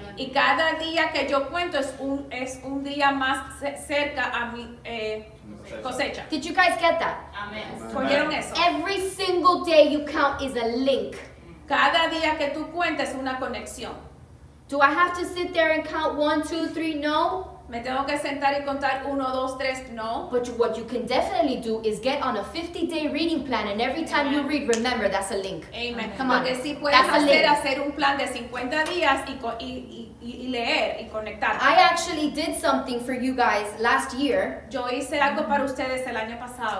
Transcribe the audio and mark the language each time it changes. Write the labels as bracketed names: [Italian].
[Spanish] Y cada día que yo cuento es un día más cerca a mi cosecha. [English] Did you guys get that? [Spanish] ¿Oyeron eso? [English] Every single day you count is a link. [Spanish] Cada día que tú cuentas es una conexión. [English] Do I have to sit there and count 1, 2, 3? No. [Spanish] Me tengo que sentar y contar uno, dos, tres, no. [English] But what you can definitely do is get on a 50-day reading plan, and every time you read, remember, that's a link. Amen. Come on. [Spanish] Lo que sí puedes hacer, hacer un plan de 50 días y leer y conectar. [English] I actually did something for you guys last year. [Spanish] Yo hice algo para ustedes el año pasado.